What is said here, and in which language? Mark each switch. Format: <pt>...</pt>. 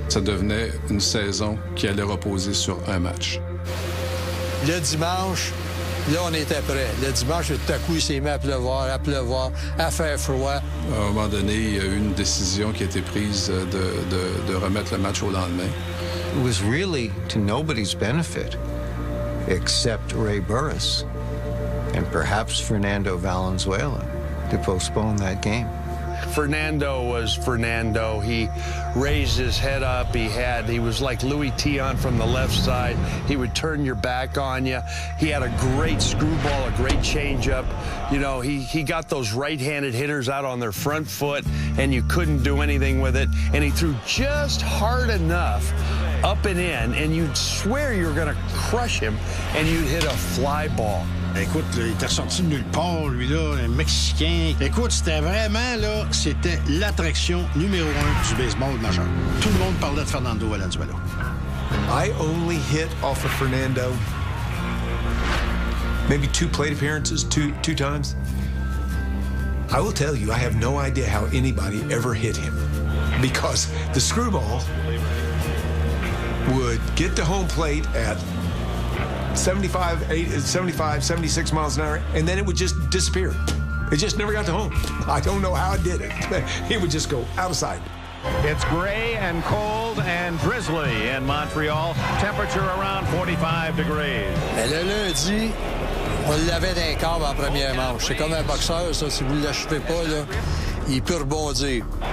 <fr>Ça devenait une saison qui allait reposer sur un match. Le dimanche, là, on était prêts. Le dimanche, tout à coup, il s'est mis à pleuvoir, à faire froid. À un moment donné, il y a eu une décision qui a été prise de remettre le match au lendemain.</fr> <en>It was really to nobody's benefit, except Ray Burris and perhaps Fernando Valenzuela, to postpone that game. Fernando was Fernando. He raised his head up. He was like Louis Tion from the left side. He would turn your back on you. He had a great screwball, a great changeup. You know, he got those right-handed hitters out on their front foot, and you couldn't do anything with it. And he threw just hard enough up and in, and you'd swear you were going to crush him, and you'd hit a fly ball.</en> <fr>Écoute, là, il était sorti de nulle part, lui, là, un Mexicain. Écoute, c'était vraiment, là, c'était l'attraction numéro un du baseball majeur. Tout le monde parlait de Fernando Valenzuela.</fr> <en>I only hit off of Fernando maybe two plate appearances, two times. I will tell you, I have no idea how anybody ever hit him because the screwball would get to home plate at 75, 76 miles an hour, and then it would just disappear. It just never got to home. I don't know how it did it. It would just go out of sight. It's gray and cold and drizzly in Montreal. Temperature around 45 degrees.</en> <fr>Mais le lundi, on l'avait d'un corps en première manche. C'est comme un boxeur, ça. Si vous ne l'achevez pas, là, il peut rebondir.</fr>